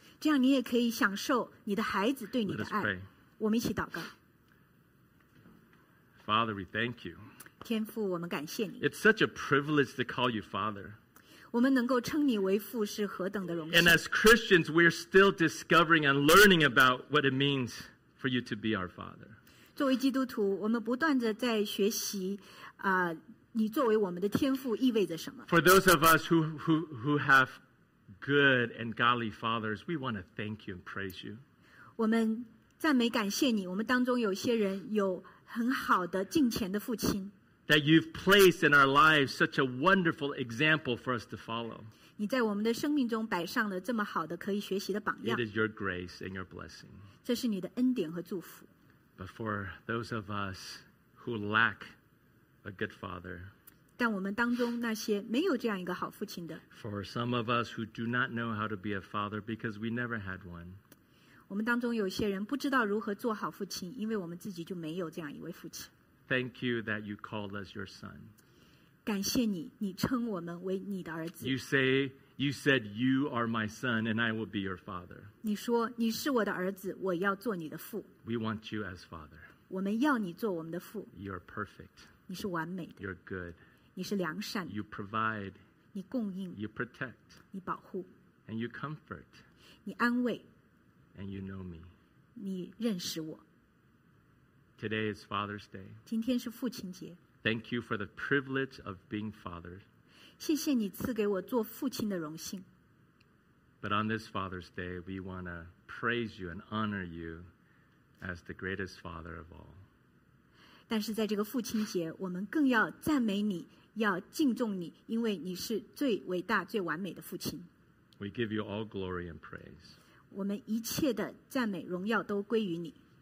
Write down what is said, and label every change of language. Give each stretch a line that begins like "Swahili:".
Chinese: 这样你也可以享受你的孩子对你的爱。
English: Let us pray.
Chinese: 我们一起祷告。
English: Father, we thank you.
Chinese: 天父，我们感谢你。
English: It's such a privilege to call you father. And as Christians, we're still discovering and learning about what it means for you to be our Father.
Chinese: 作为基督徒，我们不断地在学习，你作为我们的天父意味着什么。
English: For those of us who have good and godly fathers, we want to thank you and praise you.
Chinese: 我们赞美感谢你，我们当中有些人有很好的敬虔的父亲。
English: That you've placed in our lives such a wonderful example for us to follow.
Chinese: 你在我们的生命中摆上了这么好的可以学习的榜样。
English: It is your grace and your blessing.
Chinese: 这是你的恩典和祝福。
English: But for those of us who lack a good father,
Chinese: 但我们当中那些没有这样一个好父亲的
English: for some of us who do not know how to be a father because we never had one,
Chinese: 我们当中有些人不知道如何做好父亲，因为我们自己就没有这样一位父亲。
English: Thank you that you called us your son.
Chinese: 感谢你，你称我们为你的儿子。
English: You say, you said, you are my son and I will be your father.
Chinese: 你说你是我的儿子，我要做你的父。
English: We want you as father.
Chinese: 我们要你做我们的父。
English: You're perfect.
Chinese: 你是完美的。
English: You're good.
Chinese: 你是良善的。
English: You provide.
Chinese: 你供应。
English: You protect.
Chinese: 你保护。
English: And you comfort.
Chinese: 你安慰。
English: And you know me.
Chinese: 你认识我。
English: Today is Father's Day.
Chinese: 今天是父亲节。
English: Thank you for the privilege of being father.
Chinese: 谢谢你赐给我做父亲的荣幸。
English: But on this Father's Day, we want to praise you and honor you as the greatest father of all.
Chinese: 但是在这个父亲节，我们更要赞美你，要敬重你，因为你是最伟大、最完美的父亲。
English: We give you all glory and praise.
Chinese: 我们一切的赞美、荣耀都归于你。